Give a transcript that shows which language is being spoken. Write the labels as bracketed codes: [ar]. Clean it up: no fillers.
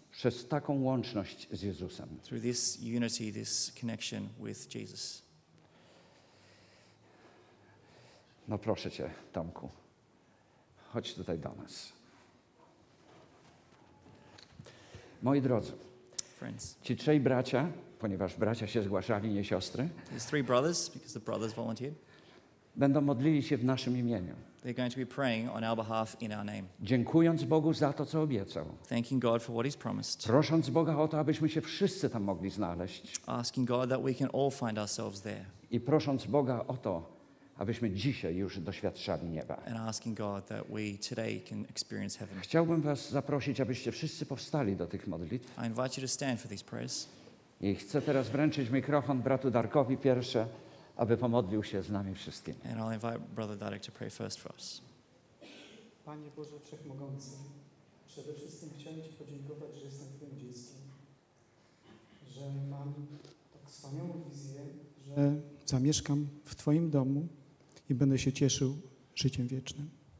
[pl] Przez taką łączność z Jezusem. [en] Through this unity, this connection with Jesus. [pl] No proszę Cię, Tomku, chodź tutaj do nas. Moi drodzy, [en] friends. [pl] Ci trzej bracia, ponieważ bracia się zgłaszali, nie siostry, [en] these three brothers, because the brothers volunteered, [pl] będą modlili się w naszym imieniu. [en] They're going to be praying on our behalf in our name. [pl] Dziękując Bogu za to, co obiecał. [en] Thanking God for what He's promised. [pl] Prosząc Boga o to, abyśmy się wszyscy tam mogli znaleźć. [en] Asking God that we can all find ourselves there. [pl] I prosząc Boga o to, abyśmy dzisiaj już doświadczali nieba. [en] And asking God that we today can experience heaven. [pl] Chciałbym was zaprosić, abyście wszyscy powstali do tych modlitw. [en] I invite you to stand for these prayers. [pl] I chcę teraz wręczyć mikrofon bratu Darkowi pierwsze, aby pomodlił się z nami wszystkim. [en] And I'll invite brother Darek to pray first for us. [pl] Panie Boże Wszechmogący, przede wszystkim chciałem Ci podziękować, że jestem Twoim dzieckiem, że mam tak wspaniałą wizję, że zamieszkam w Twoim domu i będę się cieszył życiem wiecznym.